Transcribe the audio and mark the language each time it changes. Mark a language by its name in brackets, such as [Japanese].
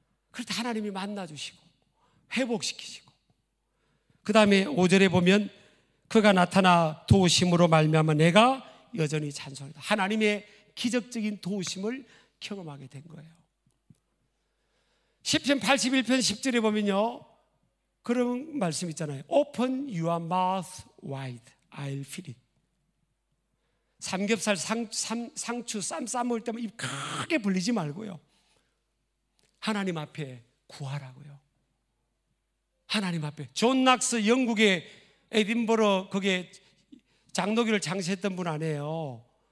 [Korean] 그때 하나님이 만나주시고 회복시키시고 그 다음에 5절에 보면 그가 나타나 도우심으로 말미암아 내가 여전히 찬송한다. 하나님의 기적적인 도우심을 경험하게 된 거예요. 시편 81편 10절에 보면요 그런 말씀 있잖아요. [English] Open your mouth wide, I'll feel it. [Korean] 삼겹살, 상추, 쌈 싸먹을 때만 입 크게 벌리지 말고요 하나님 앞에 구하라고요. 하나님 앞에. 존 낙스 영국의 에딘버러 거기에 장로교를 장세했던 분 아니에요.